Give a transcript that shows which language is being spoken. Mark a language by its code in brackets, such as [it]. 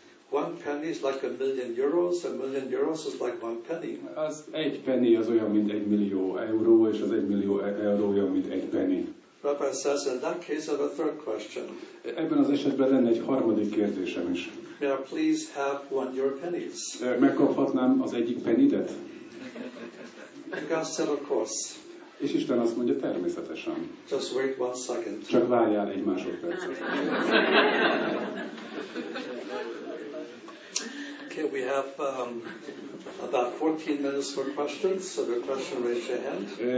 [en] 1 penny is like a million euros is like 1 penny. [hu] Az egy penny az olyan, mint 1 millió euró, és az 1 millió euró olyan, mint 1 penny. [en] Rabbi says, in that case, I have a third question. [hu] Ebben az esetben lenne egy harmadik kérdésem is. [en] May I please have 1 euro pennies? [hu] Megkaphatnám az egyik pennidet? [en] God said, of course. [hu] És Isten azt mondja, természetesen. [en] Just wait 1 second. [hu] Csak várjál egy másodpercet. [en] Okay, we have about 14 minutes for questions, so the question raise your hand.